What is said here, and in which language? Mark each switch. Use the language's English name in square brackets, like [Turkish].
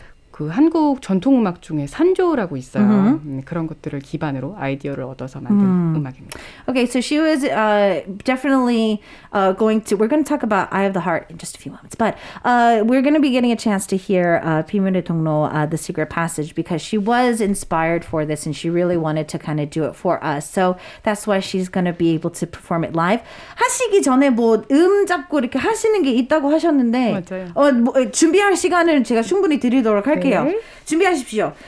[Korean] 그 한국 전통 음악 중에 산조라고 있어요. 그런 것들을 기반으로 아이디어를 얻어서 만든 음악입니다. [English] Okay, so she was definitely going to. We're going to talk about Eye of the Heart in just a few moments, but we're going to be getting a chance to hear 비밀의 통로, the secret passage, because she was inspired for this and she really wanted to kind of do it for us. So that's why she's going to be able to perform it live. [Korean] 하시기 전에 뭐 잡고 이렇게 하시는 게 있다고 하셨는데, 맞아요. 준비할 시간을 제가 충분히 드리도록 준비하십시오.